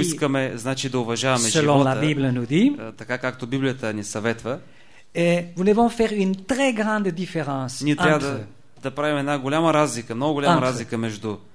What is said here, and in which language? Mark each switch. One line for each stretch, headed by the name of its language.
Bulgarian: искаме, значи, да уважаваме
French: selon
Bulgarian: живота,
French: la Bible nous dit,
Bulgarian: така както Библията ни съветва,
French: nous devons faire une très grande différence entre
Bulgarian: правим една голяма разлика, много голяма разлика между